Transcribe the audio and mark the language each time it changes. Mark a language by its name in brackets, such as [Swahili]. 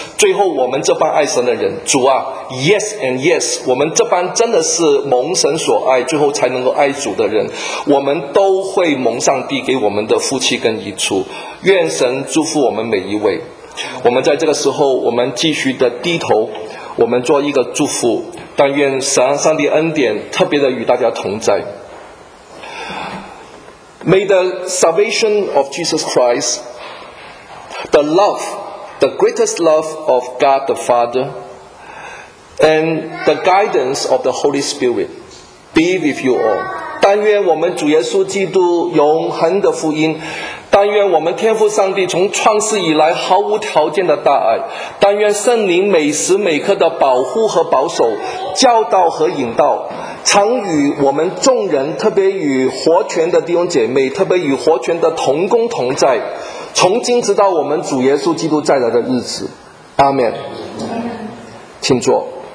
[Chinese] 最后我们这帮爱神的人，主啊 [English] Yes and Yes， [Chinese] 我们这帮真的是蒙神所爱最后才能够爱主的人，我们都会蒙上帝给我们的福气跟益处。愿神祝福我们每一位。我们在这个时候我们继续的低头，我们做一个祝福，但愿神上帝恩典特别的与大家同在。 [English] May the salvation of Jesus Christ, the love, the greatest love of God the Father, and the guidance of the Holy Spirit be with you all. [Chinese] 但愿我们主耶稣基督永恒的福音，但愿我们天父上帝从创世以来毫无条件的大爱，但愿圣灵每时每刻的保护和保守，教导和引导，常与我们众人，特别与活泉的弟兄姐妹，特别与活泉的同工同在，从今直到我们主耶稣基督再来的日子。阿们。请坐。